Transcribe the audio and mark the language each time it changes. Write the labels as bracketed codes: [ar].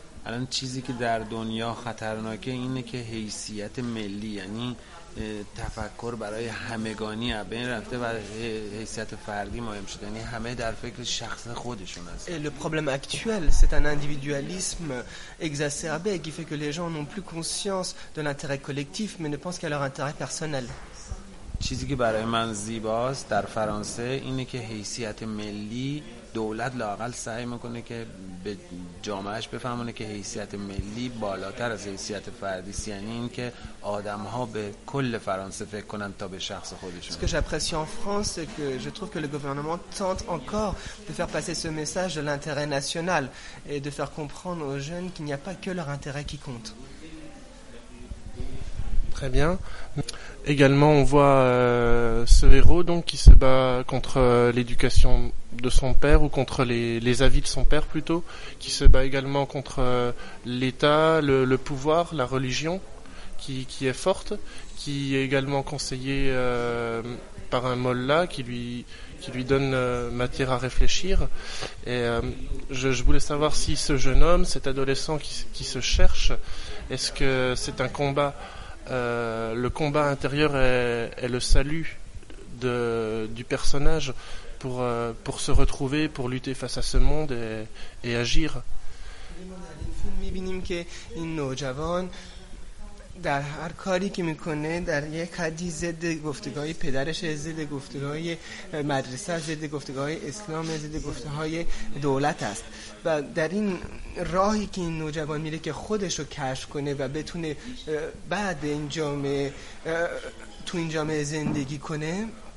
[fa] الان چیزی که در دنیا خطرناکه اینه که حیثیت ملی، یعنی تفکر برای همگانی، از بین رفته و حیثیت فردی مهم شده، یعنی همه در فکر شخص خودشون هستن. [fr] Et le problème actuel, c'est un individualisme exacerbé qui fait que les gens n'ont plus conscience de l'intérêt collectif mais ne pensent qu'à leur intérêt personnel. [fa] چیزی که برای من زیباست در فرانسه اینه که حیثیت ملی، دولت لااقل سعی میکنه که به جامعهش بفهمونه که حیثیت ملی بالاتر از حیثیت فردی است، یعنی این که آدمها به کل فرانسه فکر کنن تا به شخص خودشون. [fr] Ce que j'apprécie en France c'est que je trouve que le gouvernement tente encore de faire passer ce message de l'intérêt national et de faire comprendre aux jeunes qu'il n'y a pas que leur intérêt qui compte. Très bien. Également, on voit ce héros donc qui se bat contre l'éducation de son père ou contre les avis de son père plutôt, qui se bat également contre l'État, le pouvoir, la religion, qui est forte, qui est également conseillé par un mollah qui lui donne matière à réfléchir. Et je voulais savoir si ce jeune homme, cet adolescent qui se cherche, est-ce que c'est un combat? Le combat intérieur est le salut du personnage pour se retrouver, pour lutter face à ce monde et agir. Il y a un jeune [fa] در هر کاری که میکنه در یک حدی ضد گفتگوهای پدرش، ضد گفتگوهای مدرسه، ضد گفتگوهای اسلام، ضد گفتگوهای دولت است. و در این راهی که این نوجوان میره که خودش رو کشف کنه و بتونه بعد این جامعه، تو این جامعه زندگی کنه.